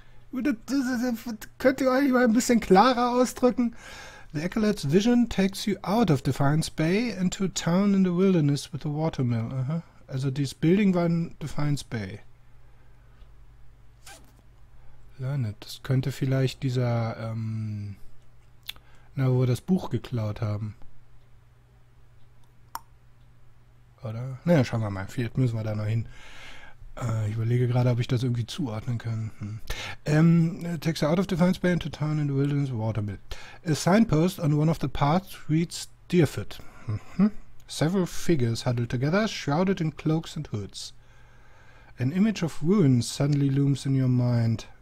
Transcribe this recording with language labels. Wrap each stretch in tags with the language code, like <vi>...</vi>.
<de>Könnt ihr euch mal ein bisschen klarer ausdrücken?</de> <en>The Acolyte's vision takes you out of Defiance Bay into a town in the wilderness with a watermill. Also, this building war in Defiance Bay. Learned.</en> <de>Das könnte vielleicht dieser, wo wir das Buch geklaut haben. oder? Naja, schauen wir mal. Vielleicht müssen wir da noch hin. Ich überlege gerade, ob ich das irgendwie zuordnen kann.</de> <en>Takes her out of Defiance Bay into town in the wilderness of Watermill. A signpost on one of the paths reads Deerfoot. Several figures huddled together, shrouded in cloaks and hoods. An image of ruins suddenly looms in your mind.</en>